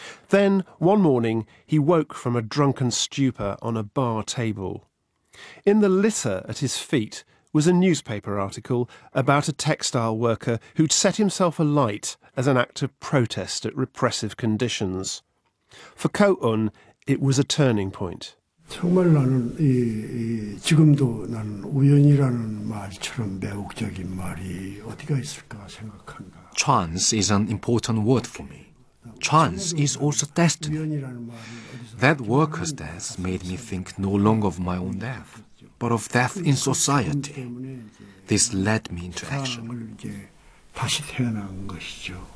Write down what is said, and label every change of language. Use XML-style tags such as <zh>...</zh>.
<en>Then, one morning, he woke from a drunken stupor on a bar table. In the litter at his feet was a newspaper article about a textile worker who'd set himself alight as an act of protest at repressive conditions. For Ko Un, it was a turning point.</en> <ko>정말 나는 이 지금도 나는 우연이라는 말처럼 매혹적인 말이 어디가 있을까 생각한다.</ko> <en>Chance is an important word for me. Chance is also destiny. That worker's death made me think no longer of my own death, but of death in society. This led me into action.</en> <ko>다시 태어난 것이죠.</ko>